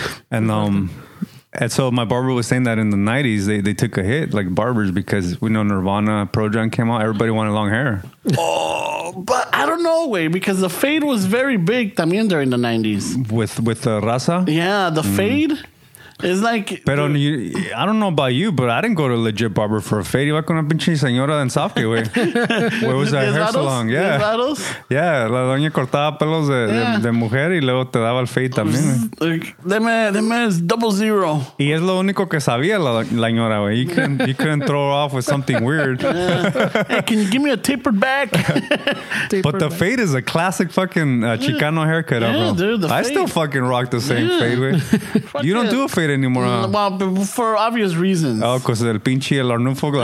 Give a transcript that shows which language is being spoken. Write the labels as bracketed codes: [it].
[en] And so my barber was saying that in the 90s, they took a hit, like barbers, because we know Nirvana, Pearl Jam came out, everybody wanted long hair. Oh, but I don't know, way, because the fade was very big también during the 90s. With the raza? Yeah, the fade. It's like, but I don't know about you, but I didn't go to a legit barber for a fade. [es] Iba con una pinche señora en Safi, güey. [en] Where was that hair salon? Yeah. [es] Yeah, la doña cortaba pelos de mujer y luego te daba el fade también. Like, deme es 00. Y es lo único que sabía la señora, güey. [en] You couldn't throw her off with something weird. Yeah. Hey, can you give me a tapered back? But the fade is a classic fucking Chicano haircut. Yeah, bro. Dude, I still fucking rock the same fade, güey. You don't do a fade anymore, huh? Well, for obvious reasons. Oh, because [es] del pinche el arnufo la